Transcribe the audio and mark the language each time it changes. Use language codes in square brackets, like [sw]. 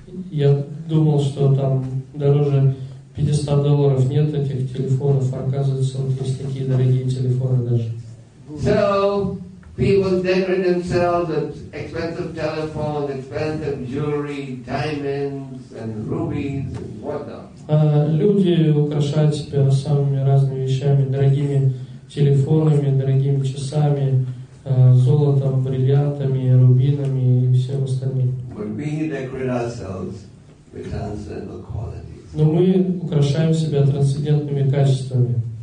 [ru] Я думал, что там дороже 500 долларов нет этих телефонов. Оказывается, вот есть такие дорогие телефоны даже. [en] People decorate themselves with expensive telephones, expensive jewelry, diamonds and rubies and whatnot. [ru] Люди украшают себя самыми разными вещами, дорогими телефонами, дорогими часами, золотом, бриллиантами, рубинами и всем остальным. [en] But we decorate ourselves with transcendental qualities. [ru] Но мы украшаем себя трансцендентными качествами.